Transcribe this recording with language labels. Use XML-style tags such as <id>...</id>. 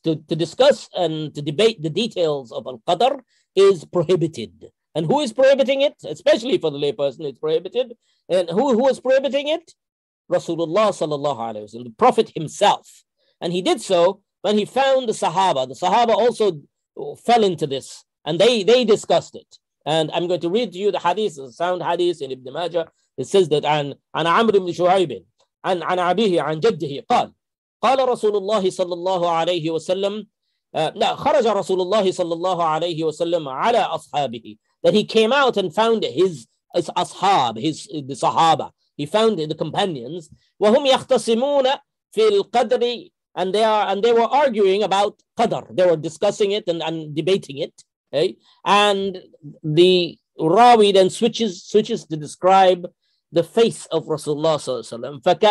<en>To discuss and to debate the details of al-qadr is prohibited. And who is prohibiting it? Especially for the layperson, it's prohibited. And who is prohibiting it? Rasulullah sallallahu alayhi wa sallam, the Prophet himself. And he did so when he found the Sahaba. The Sahaba also fell into this. And they discussed it. And I'm going to read to you the hadith, the sound hadith in Ibn Majah. It says that,</en> <ar>عن عمر بن شعيب عن عبيه عن جده قال قال رسول الله صلى الله عليه وسلم لا خرج رسول الله صلى الله عليه وسلم على أصحابه.</ar> <en>That he came out and found his أصحاب, the Sahaba. He found the companions.</en> <ar>وهم يختصمون في القدر.</ar> <en>And they were arguing about Qadr. They were discussing it and debating it. Okay? And the Rawi then switches to describe the face of Rasulullah sallallahu alaihi wasallam.</en>